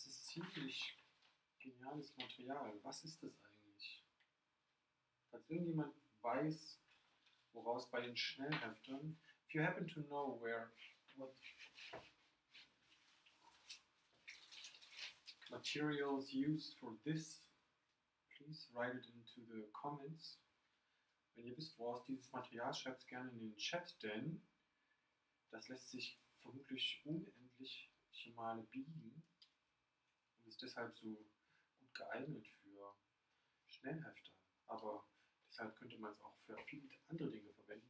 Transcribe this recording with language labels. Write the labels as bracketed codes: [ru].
[de] ziemlich geniales Material. Was ist das eigentlich? Falls irgendjemand weiß, woraus bei den Schnellheftern. [en] If you happen to know where. What materials used for this, please write it into the comments. [de] Wenn ihr wisst, woraus dieses Material, schreibt es gerne in den Chat, denn das lässt sich vermutlich unendliche Male biegen und ist deshalb so gut geeignet für Schnellhefter. Aber deshalb könnte man es auch für viele andere Dinge verwenden.